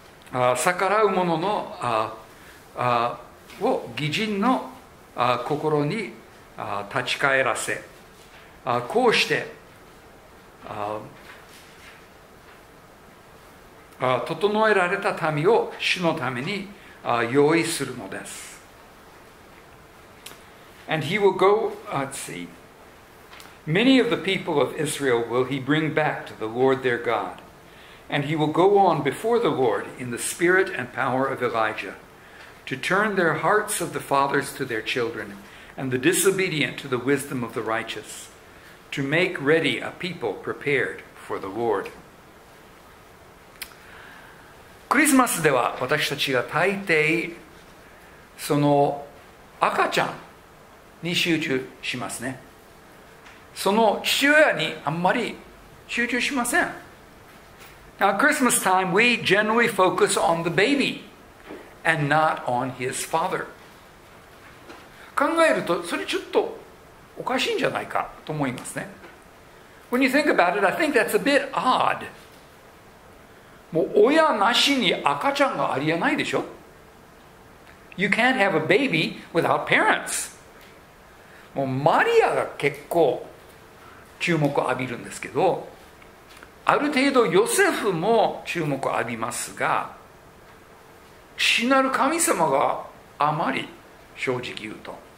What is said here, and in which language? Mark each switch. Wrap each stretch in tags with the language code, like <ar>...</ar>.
<ja>逆らう者のを義人の心に立ち返らせ、こうして整えられた民を主のために用意するのです。</ja> <en>And he will go, let's see. Many of the people of Israel will he bring back to the Lord their God, and he will go on before the Lord in the spirit and power of Elijah. To turn their hearts of the fathers to their children, and the disobedient to the wisdom of the righteous, to make ready a people prepared for the Lord.</en> <ja>クリスマスでは私たちが大抵その赤ちゃんに集中しますね。その父親にあんまり集中しません。</ja> <en>Now, Christmas time, we generally focus on the baby. And not on his father.</en> <ja>考えるとそれちょっとおかしいんじゃないかと思いますね。</ja> <en>When you think about it, I think that's a bit odd.</en> <ja>もう親なしに赤ちゃんがありえないでしょ。</ja> <en>You can't have a baby without parents.</en> <ja>もうマリアが結構注目を浴びるんですけど、ある程度ヨセフも注目を浴びますが、父なる神様があまり正直言うと。</ja>